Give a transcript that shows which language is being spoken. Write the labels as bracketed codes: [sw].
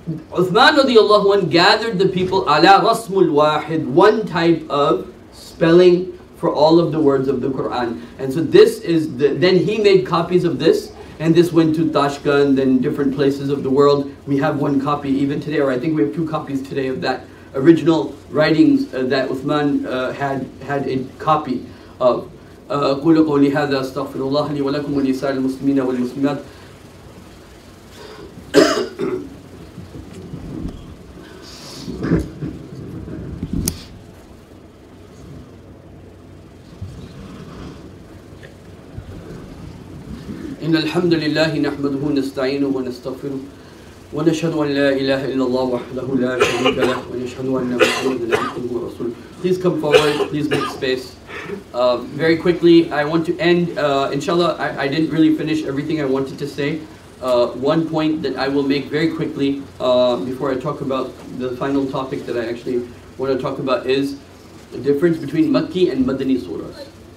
[en] Uthman radiallahu anhu gathered the people [ar] ala rasmul wahid, [en] one type of spelling for all of the words of the Quran. And so this is then he made copies of this, and this went to Tashkent and then different places of the world. We have one copy even today, or I think we have two copies today of that original writings that Uthman had a copy of. [ar] أقول قولي هذا استغفر الله لي ولكم ولسائر المسلمين والمسلمات إن الحمد لله نحمده ونستعينه ونستغفره ونشهد أن لا إله إلا الله وحده لا شريك له ونشهد أن محمدا عبده ورسوله. [en] Please come forward, please make space. Very quickly, I want to end, inshallah, I didn't really finish everything I wanted to say. One point that I will make very quickly before I talk about the final topic that I actually want to talk about is the difference between Makki and Madani surahs.